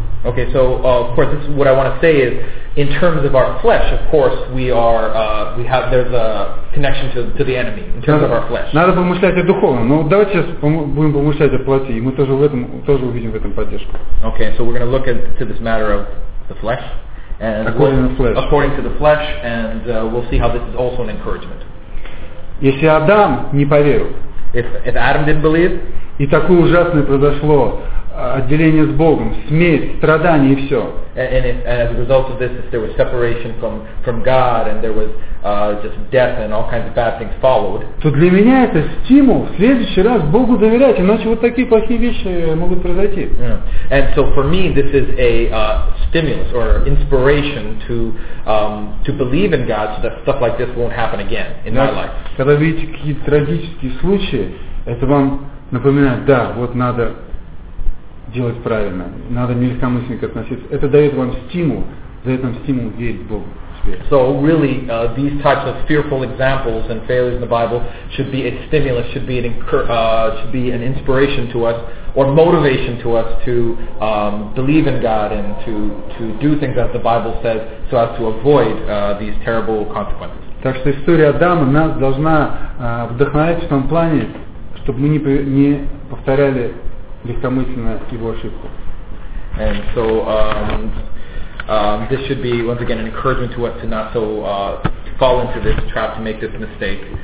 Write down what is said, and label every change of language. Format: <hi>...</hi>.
<en>Okay, so of course, this is what I want to say is, in terms of our flesh, of course, we are, we have, there's a connection to the enemy in terms of our flesh.</en> <ru>Надо помышлять о духовном, но давайте сейчас будем помышлять о плоти, и мы тоже в этом, тоже увидим в этом поддержку.</ru> <en>Okay, so we're going to look into this matter of the flesh, and according to the flesh, and we'll see how this is also an encouragement.</en> <ru>Если Адам не поверил,</ru> <en>if Adam didn't believe,</en> <ru>и такое ужасное произошло. Отделение с Богом, смерть, страдания и все.</ru> <en>And as a result of this, if there was separation from God, and there was just death and all kinds of bad things followed.</en> <ru>То для меня это стимул в следующий раз Богу доверять, иначе вот такие плохие вещи могут произойти.</ru> <en>Yeah. And so for me, this is a stimulus or inspiration to believe in God, so that stuff like this won't happen again in my life.</en> <ru>Когда видите какие-то трагические случаи, это вам напоминает, да, вот надо делать правильно, надо не легкомысленно относиться. Это дает вам стимул, дает вам стимул верить Богу.</ru> <en>So really, these types of fearful examples and failures in the Bible should be a stimulus, should be an inspiration to us or motivation to us to believe in God and to do things as the Bible says, so as to avoid these terrible consequences.</en> <ru>Так что история Адама нас должна вдохновлять в том плане, чтобы мы не повторяли легкомысленно его ошибку.</ru> <en>And so this should be once again an encouragement to us to not so to fall into this trap, to make this mistake.</en>